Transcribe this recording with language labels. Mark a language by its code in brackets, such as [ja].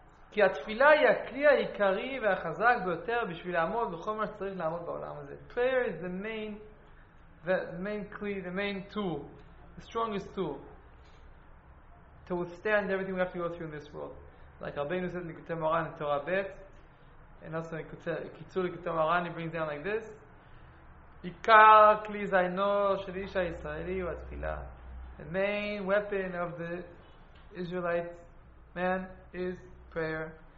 [he] כי התפילה היא הכלי העיקרי והחזק ביותר בשביל לעמוד בכל מה שצריך לעמוד בעולם הזה. [en] Prayer is the main clue, the main tool, the strongest tool to withstand everything we have to go through in this world. Like Rabbeinu said in Likutei Moran, Torah Bet, and also in Kitzur Likutei Moran, he brings down like this. [he] עיקר כלי זיינו של איש הישראלי הוא התפילה. [en] The main weapon of the Israelite man is prayer.